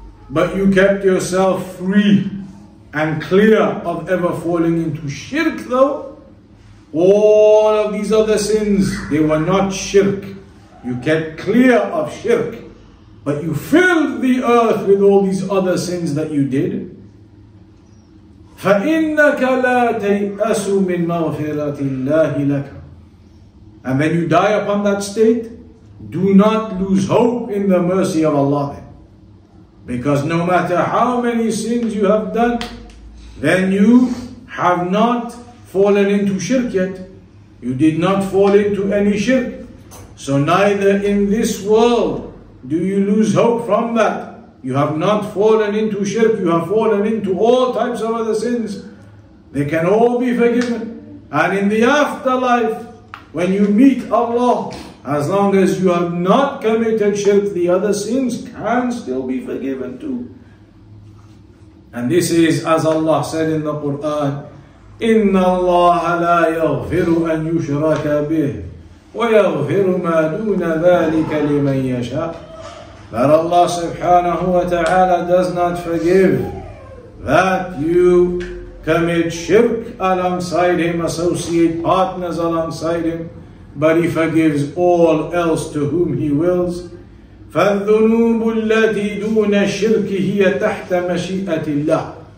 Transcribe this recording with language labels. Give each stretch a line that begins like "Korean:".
English: But you kept yourself free and clear of ever falling into shirk though. All of these other sins, they were not shirk. You kept clear of shirk. But you filled the earth with all these other sins that you did.
Arabic: فإنك لا تيأس من مغفرة الله لك.
English: And when you die upon that state, do not lose hope in the mercy of Allah. Because no matter how many sins you have done, then you have not fallen into shirk yet. You did not fall into any shirk. So neither in this world do you lose hope from that. You have not fallen into shirk. You have fallen into all types of other sins. They can all be forgiven. And in the afterlife, when you meet Allah, as long as you have not committed shirk, the other sins can still be forgiven too. And this is as Allah said in the Quran,
Arabic: إِنَّ اللَّهَ لَا يَغْفِرُ أَن يُشْرَكَ بِهِ وَيَغْفِرُ مَا دُونَ ذَلِكَ لِمَن يَشَاءُ.
English: That Allah subhanahu wa ta'ala does not forgive that you commit shirk alongside him, associate partners alongside him, but he forgives all else to whom he wills.
Arabic: فَالذُّنُوبُ الَّتِي دُونَ الشِّرْكِ هِيَ تَحْتَ مَشِيئَةِ اللَّهِ.